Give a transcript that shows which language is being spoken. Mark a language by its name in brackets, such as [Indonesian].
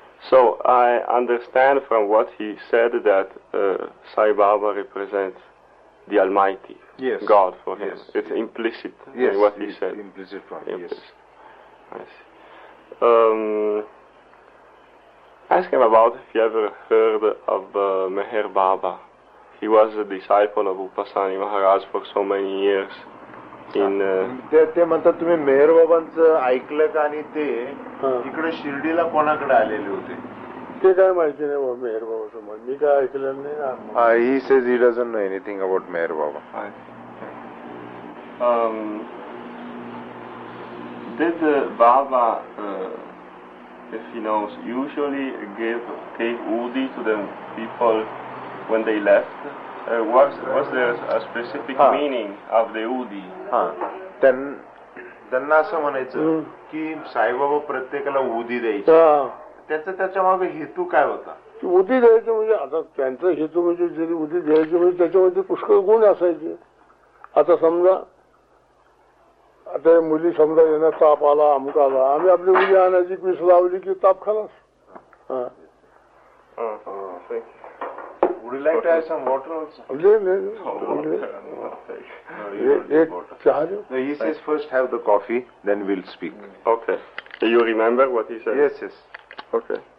[English] So I understand from what he said that Sai Baba represents the Almighty, God for him. Yes, it's implicit in what he said. Implicit from him, yes. I see. Ask him about if you ever heard of Meher Baba. He was a disciple of Upasani Maharaj for so many years. [Marathi] ते म्हणतात तुम्ही मेहर बाबांचं ऐकलं का आणि ते इकडे शिर्डीला कोणाकडे आलेले होते ते काय माहिती नाही बाबा मेहर बाबाचं म्हणजे मी काय ऐकलं नाही. [English] He says he doesn't know anything about Meher Baba. Did Baba, if he knows, usually take udi to the people when they left? Was there a specific meaning of the udi? [Marathi] त्यांना असं म्हणायचं की साईबाबा प्रत्येकाला उदी द्यायचं, त्याचा त्याच्यामागे हेतू काय होता? उदी द्यायचं म्हणजे आता त्यांचा हेतू म्हणजे जरी उदी द्यायचं म्हणजे त्याच्यामध्ये पुष्कळ गुण असायचे. आता समजा आता मुली समजा येणार ताप आला अमुक आला, आम्ही आपली मुली आणायची पीस लावली की ताप खालास. [English] Would you like to have some water also? No, he says first have the coffee, then we'll speak. Okay. Do you remember what he said? Yes, yes.